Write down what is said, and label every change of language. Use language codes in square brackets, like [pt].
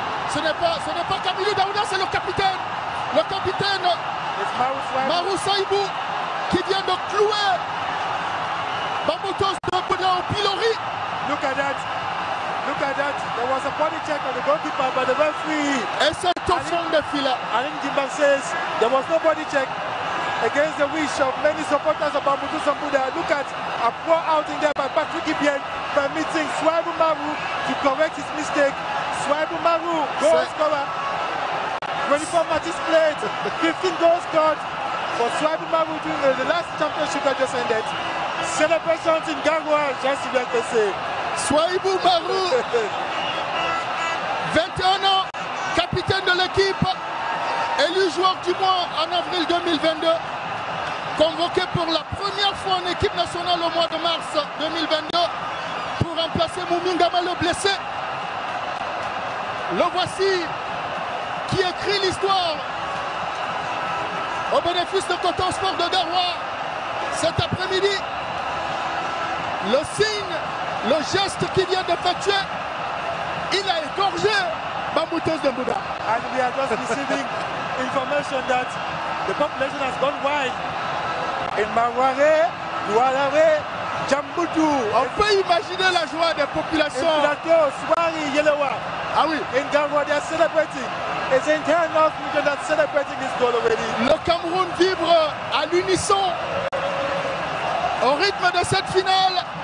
[fr] Ce n'est pas Camilo Daouda, c'est le capitaine. Le capitaine Marou Saïbou qui vient de clouer Bamboutos de Kouda au pilori. [en] Look at that. Look at that. There was a body check on the goalkeeper, but the referee. [fr] Et c'est au fond de filet. [en] Alain Dimba says there was no body check against the wish of many supporters of Bamboutos de Kouda. Look at a poor outing there by Patrick Ibien permitting Swaibu Marou to correct his mistake. Swaibu Marou, goal scorer. 24 matches played, 15 goals scored for Swaibu Marou during the last championship that just ended. Celebrations in Garoua, just like they say. [fr] Swaibu Marou, 21 ans, capitaine de l'équipe, élu joueur du mois en avril 2022, convoqué pour la première fois en équipe nationale au mois de mars 2022 pour remplacer Moumingama le blessé. Le voici qui écrit l'histoire au bénéfice de Cotonsport de Garoua cet après-midi. Le signe, le geste qui vient d'effectuer, il a égorgé Bamboutos de Kouda. [en] And we are just receiving information that the population has gone wild in Maware, Douarare, Djamboutou. [fr] On peut imaginer la joie des populations. Swari, Yelewa. Ah oui. [en] In Garoua, they are celebrating. It's an entire North region that's celebrating this goal already. [fr] Le Cameroun vibre à l'unisson au rythme de cette finale.